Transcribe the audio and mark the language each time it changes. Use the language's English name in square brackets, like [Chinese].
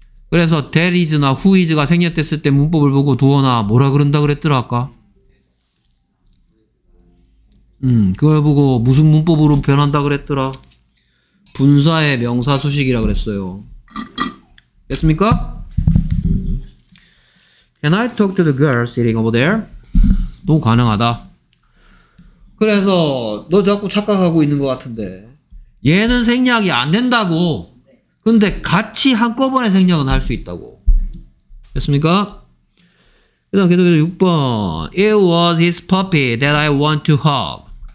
[Korean] 그래서 that is나 who is가 생략됐을 때 문법을 보고 도어나 뭐라 그런다 그랬더라 아까? 그걸 보고 무슨 문법으로 변한다 그랬더라? 분사의 명사 수식이라 그랬어요. 됐습니까? [English] Can I talk to the girl sitting over there? [Korean] 또 가능하다. 그래서 너 자꾸 착각하고 있는 것 같은데 얘는 생략이 안 된다고. 근데 같이 한꺼번에 생략은 할 수 있다고. 됐습니까? 그다음 계속해서 6번 [English] It was his puppy that I want to hug.